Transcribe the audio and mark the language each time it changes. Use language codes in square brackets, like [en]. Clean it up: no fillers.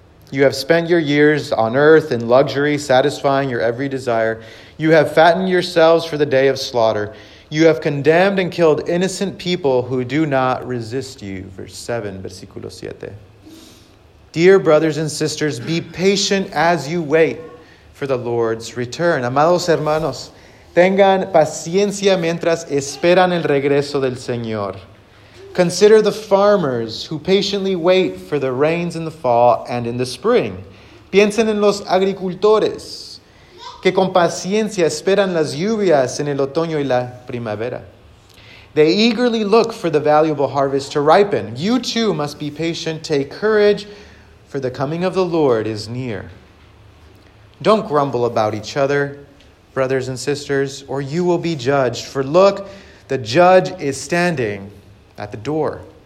[en] You have spent your years on earth in luxury, satisfying your every desire. You have fattened yourselves for the day of slaughter. You have condemned and killed innocent people who do not resist you. Verse 7, [es] versículo 7. [en] Dear brothers and sisters, be patient as you wait for the Lord's return. [es] Amados hermanos, tengan paciencia mientras esperan el regreso del Señor. [en] Consider the farmers who patiently wait for the rains in the fall and in the spring. [es] Piensen en los agricultores que con paciencia esperan las lluvias en el otoño y la primavera. [en] They eagerly look for the valuable harvest to ripen. You too must be patient. Take courage, for the coming of the Lord is near. Don't grumble about each other, brothers and sisters, or you will be judged. For look, the judge is standing at the door.